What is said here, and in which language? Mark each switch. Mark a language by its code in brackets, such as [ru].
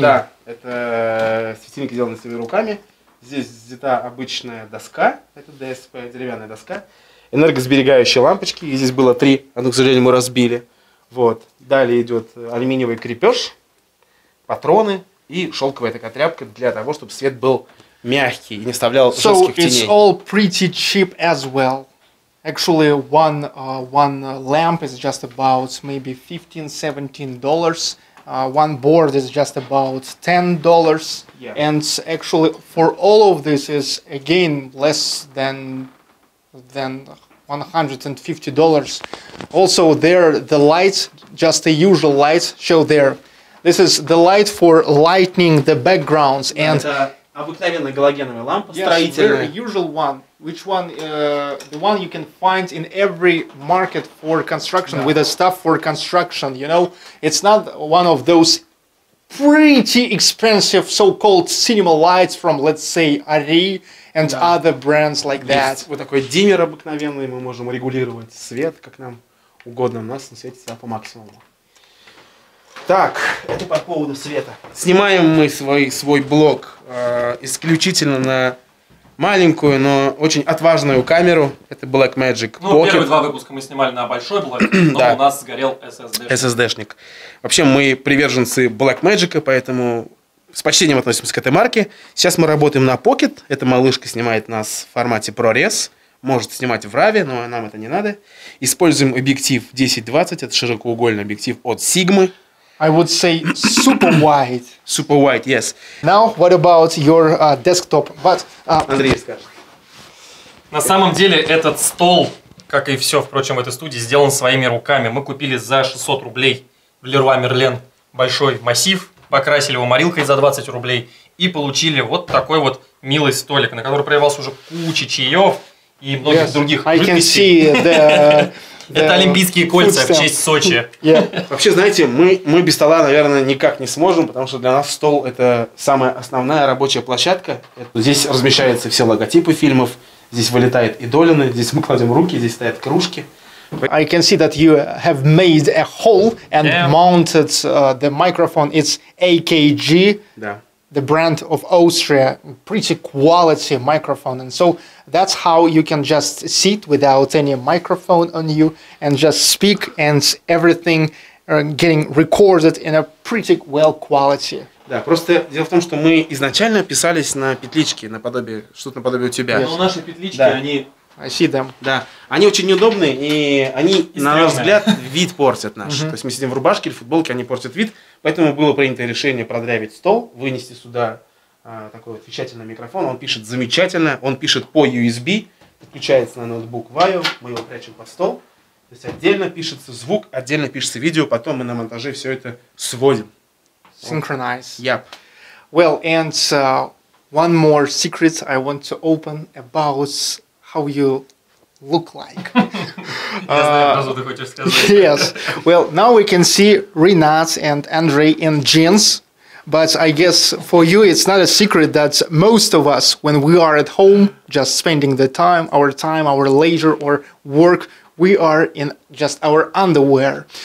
[ru] Да, это светильники, сделаны своими руками. Здесь взята обычная доска, это DSP, деревянная доска. Энергосберегающие лампочки, и здесь было три, но, к сожалению, мы разбили. Вот. Далее идет алюминиевый крепеж, патроны и шелковая такая тряпка для того, чтобы свет был мягкий и не вставлял жестких теней. [en] So it's all pretty cheap as well. Actually, one lamp is just about maybe $15-$17. One board is just about $10. Yeah. And actually, for all of this is, again, less than $150. Also, there the lights, just the usual lights, show there. This is the light for lightening the backgrounds. And [ru] Обыкновенная галогеновая лампа, [en] yes, [ru] строительная. [en] Yes, very usual one. Which one? The one you can find in every market for construction, yeah, with a stuff for construction. You know, it's not one of those pretty expensive so-called cinema lights from, let's say, Arri and, yeah, other brands like that. [ru] Есть вот такой диммер обыкновенный, мы можем регулировать свет, как нам угодно, у нас он светит по максимуму. Так, это по поводу света. Снимаем мы свой блог исключительно на маленькую, но очень отважную камеру. Это Blackmagic Pocket. Ну, первые два выпуска мы снимали на большой блог, но да, у нас сгорел SSD-шник. SSD-шник. Вообще, мы приверженцы Blackmagic, поэтому с почтением относимся к этой марке. Сейчас мы работаем на Pocket. Эта малышка снимает нас в формате ProRes. Может снимать в RAW, но нам это не надо. Используем объектив 10-20. Это широкоугольный объектив от Sigma. [en] I would say super wide. Super wide, yes. Now, what about your desktop? But [ru] Андрей скажет. На самом деле, этот стол, как и все, впрочем, в этой студии, сделан своими руками. Мы купили за 600 рублей в Леруа Мерлен большой массив, покрасили его морилкой за 20 рублей и получили вот такой вот милый столик, на который проливался уже куча чаев и многих, [en] yes, [ru] других жидкостей. Это олимпийские кольца в честь Сочи. [en] Yeah. [ru] Вообще, знаете, мы без стола, наверное, никак не сможем, потому что для нас стол – это самая основная рабочая площадка. Здесь размещаются все логотипы фильмов, здесь вылетает и Долина, здесь мы кладем руки, здесь стоят кружки. [en] I can see that you have made a hole and, yeah, mounted the microphone. It's AKG, yeah, the brand of Austria. Pretty quality microphone. And so that's how you can just sit without any microphone on you and just speak and everything getting recorded in a pretty well quality. [ru] Да, просто дело в том, что мы изначально писались на петличке, наподобие, что-то наподобие у тебя. Но наши петлички, да, они... [en] I see them. [ru] Да, они очень неудобные, и они, на наш взгляд, вид портят наш. Mm-hmm. То есть мы сидим в рубашке или футболке, они портят вид, поэтому было принято решение продрявить стол, вынести сюда такой вот вещательный микрофон, он пишет замечательно, он пишет по USB, подключается на ноутбук Vio, мы его прячем под стол, то есть отдельно пишется звук, отдельно пишется видео, потом мы на монтаже все это сводим. [en] Synchronize. Yep. Well, and one more secret I want to open about how you look like. Yes. Well, now we can see Renat and Andre in jeans. But I guess for you it's not a secret that most of us, when we are at home, just spending the time, our leisure or work, we are in just our underwear.